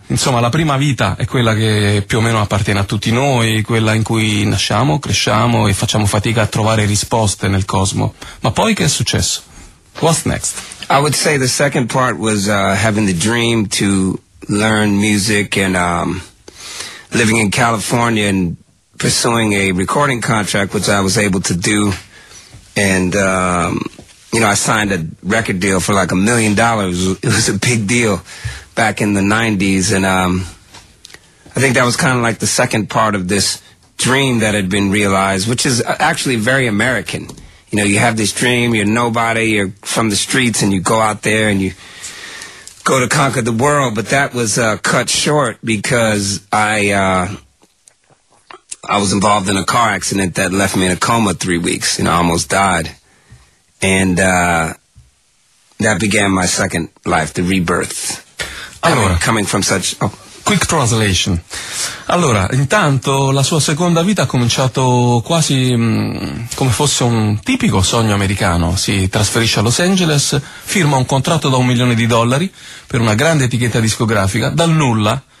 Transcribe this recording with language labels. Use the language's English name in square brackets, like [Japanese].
[Italian] Insomma, la prima vita è quella che più o meno appartiene a tutti noi, quella in cui nasciamo, cresciamo e facciamo fatica a trovare risposte nel cosmo. Ma poi che è successo? [English] What's next? I would say the second part was having the dream to learn music and living in California and pursuing a recording contract, which I was able to do, and you know, I signed a record deal for like $1 million. It was a big deal back in the 90s, and I think that was kind of like the second part of this dream that had been realized, which is actually very American. You know, you have this dream, you're nobody, you're from the streets, and you go out there and you go to conquer the world. But that was cut short because I was involved in a car accident that left me in a coma 3 weeks, and I almost died. And that began my second life, the rebirth. [Italian] Allora, [English] coming from such... Oh. Quick translation. [Italian] Allora, intanto la sua seconda vita ha cominciato quasi come fosse un tipico sogno americano. Si trasferisce a Los Angeles, firma un contratto da $1 million per una grande etichetta discografica, dal nulla.